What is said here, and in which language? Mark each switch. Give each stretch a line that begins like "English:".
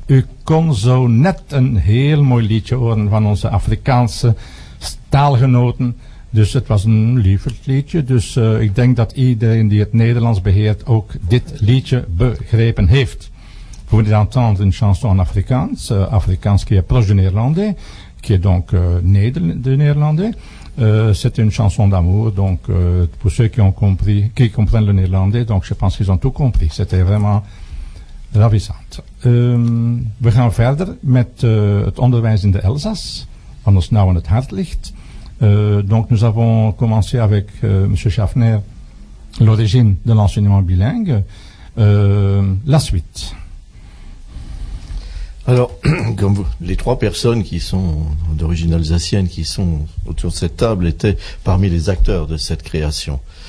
Dutch: U kon zo net een heel mooi liedje horen van onze Afrikaanse taalgenoten. Dus het was een lievelingsliedje. Dus ik denk dat iedereen die het Nederlands beheert ook dit liedje begrepen heeft.
French: Vous venez d'entendre une chanson en Afrikaans. Afrikaans qui est proche du néerlandais. Qui est donc de néerlandais. C'est une chanson d'amour, donc pour ceux qui ont compris, qui comprennent le néerlandais, donc je pense qu'ils ont tout compris. C'était vraiment ravissant.
Dutch: We gaan verder met het onderwijs in de Elzas, wat ons nou aan het hart ligt.
French: Donc nous avons commencé avec M. Schaffner, l'origine de l'enseignement bilingue. La suite. Alors, comme vous, les trois personnes qui sont d'origine alsacienne, qui sont autour de cette table, étaient parmi les acteurs de cette création.